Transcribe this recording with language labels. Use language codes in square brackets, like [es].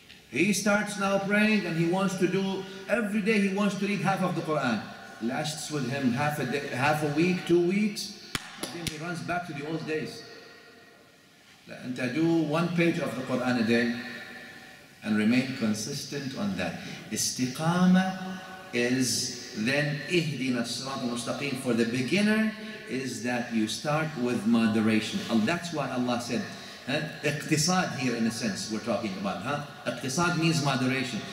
[en] He starts now praying and he wants to do, every day he wants to read half of the Qur'an. Lasts with him half a week, 2 weeks, and then he runs back to the old days. And I do one page of the Quran a day and remain consistent on that. Istiqama is [ar] then اهدنا الصراط المستقيم. [en] For the beginner is that you start with moderation. That's why Allah said, اقتصاد here in a sense we're talking about. اقتصاد means moderation.